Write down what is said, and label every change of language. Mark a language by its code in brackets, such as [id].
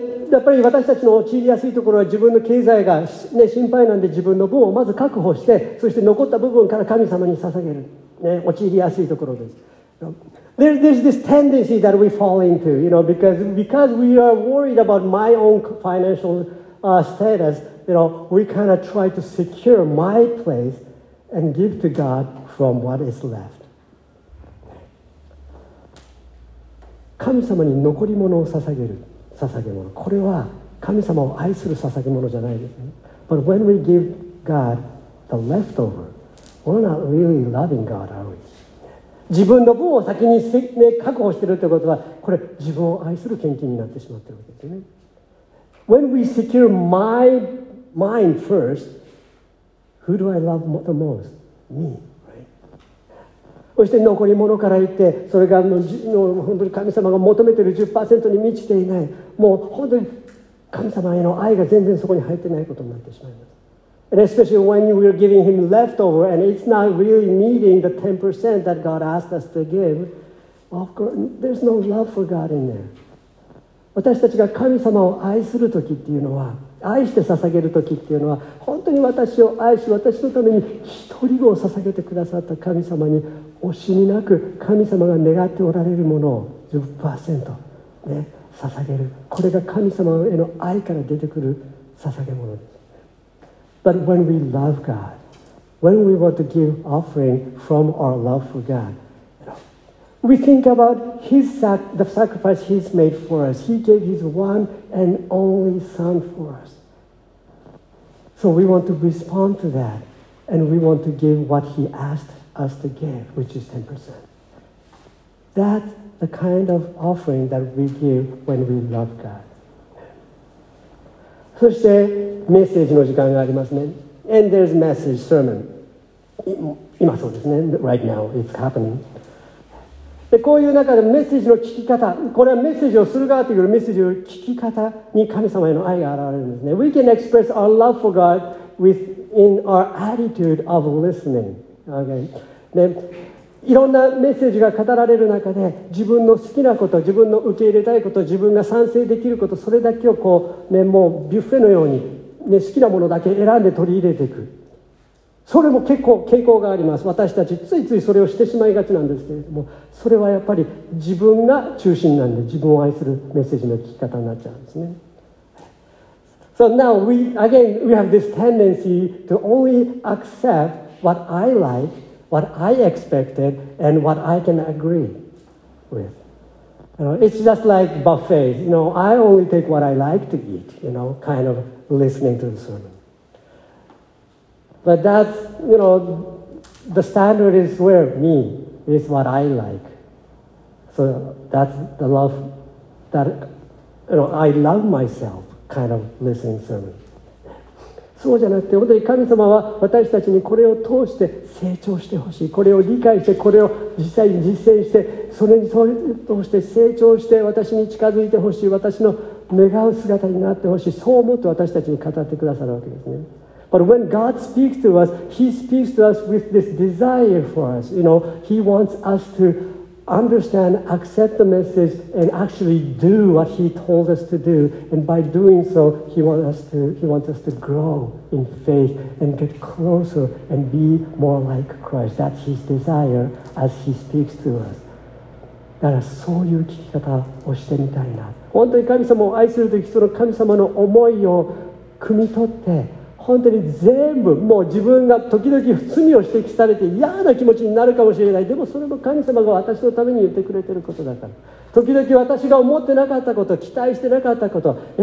[ja] やっぱり私たちの陥りやすいところは自分の経済が、ね、心配なんで、自分の分をまず確保して、そして残った部分から神様に捧げる、ね、陥りやすいところです。 [en] There's this tendency that we fall into, you know, because we are worried about my own financial status. You know, we kind of try to secure my place and give to God from what is left. [ja] 神様に残り物を捧げる捧げ物、これは神様を愛する捧げ物じゃないですね。 [en] But when we give God the leftover, we're not really loving God, are we? [ja] 自分の分を先に、ね、確保しているということは、これ自分を愛する献金になってしまっているわけですね。 [en] When we secure mine first, who do I love the most? Me, right? [ja] そして残り物から言って、それが本当に神様が求めている 10% に満ちていない、もう本当に神様への愛が全然そこに入ってないことになってしまいます。 [en] And especially when we are giving Him leftover and it's not really meeting the 10% that God asked us to give, of course, there's no love for God in there. [ja] 私たちが神様を愛する時っていうのは、愛して捧げる時っていうのは、本当に私を愛し、私のために一人子を捧げてくださった神様に惜しみなく、神様が願っておられるものを 10% ね、捧げる、これが神様への愛から出てくる捧げ物です。 [en] But when we love God, when we want to give offering from our love for God, you know, we think about the sacrifice He's made for us. He gave His oneAnd only Son for us. So we want to respond to that, and we want to give what He asked us to give, which is 10%. That's the kind of offering that we give when we love God. [ja] そしてメッセージの時間がありますね。 [en] And there's message sermon. [ja] 今そうですね。 [en] Right now it's happening. [ja] でこういう中でメッセージの聞き方、これはメッセージをする側というよりメッセージを聞き方に神様への愛が現れるんですね。 [en] We can express our love for God within our attitude of listening. Okay. [ja] でいろんなメッセージが語られる中で、自分の好きなこと、自分の受け入れたいこと、自分が賛成できること、それだけをこう、ね、もうビュッフェのように、ね、好きなものだけ選んで取り入れていく。それも結構傾向があります。私たちついついそれをしてしまいがちなんですけれども、それはやっぱり自分が中心なんで、自分を愛するメッセージの聞き方になっちゃうんですね。 [en] So now we, again, we have this tendency to only accept what I like, what I expected, and what I can agree with. You know, it's just like buffets. You know, I only take what I like to eat, you know, kind of listening to the sermon. But that's, you know, the standard is where me is what I like. So that's the love that, you know, I love myself. Kind of listening sermon. [ja] そうじゃなくて、本当に神様は私たちにこれを通して成長してほしい、これを理解して、これを実際に実践して、それに通して成長して、私に近づいてほしい、私の願う姿になってほしい、そう思って私たちに語ってくださるわけですね。 [en] But when God speaks to us, He speaks to us with this desire for us. You know, He wants us to understand, accept the message, and actually do what He told us to do. And by doing so, He wants us to grow in faith and get closer and be more like Christ. That's His desire as He speaks to us. [ja] だからそういう聞き方をしてみたいな。本当に神様を愛するとき、その神様の思いを汲み取って、本当に全部もう自分が時々罪を指摘されて嫌な気持ちになるかもしれない、でもそれも神様が私のために言ってくれてることだから、時々私が思ってなかったこと、期待してなかったこと、